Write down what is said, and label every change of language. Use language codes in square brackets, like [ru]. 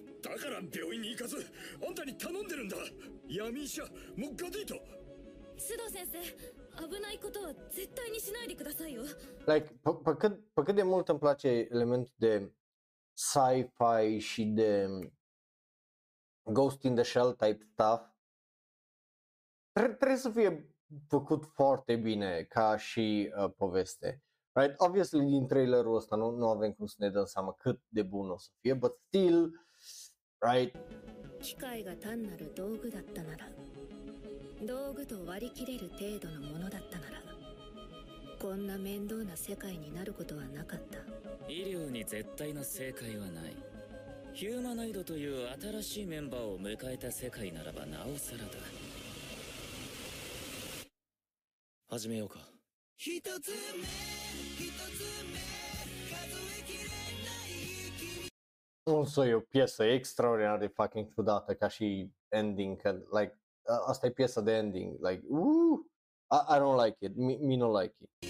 [ja] だから病院に行かず、あんたに頼んでるんだ。闇医者、もうガディと。須藤先生、危ないことは絶対にしないでくださいよ。 [ro] Like, pe cât de mult îmi place elementul de sci-fi și de [en] Ghost in the Shell type stuff, [ro] trebuie să fie făcut foarte bine ca și poveste. Right? Obviously, din trailerul ăsta nu avem cum să ne dăm seama cât de bun o să fie, [en] but still, right. [ja] 機械が単なる道具だったなら、道具と割り切れる程度のものだったなら、こんな面倒な世界になることはなかった。医療に絶対な正解はない。ヒューマノイドという新しいメンバーを迎えた世界ならばなおさらだ。始めようか。一つ目、一つ目、数え切れない息。 [ro] Nu știu, e o piesă extraordinar de fucking ciudată ca și ending, că, like, asta e piesa de ending, like, [en] I don't like it, me no like it.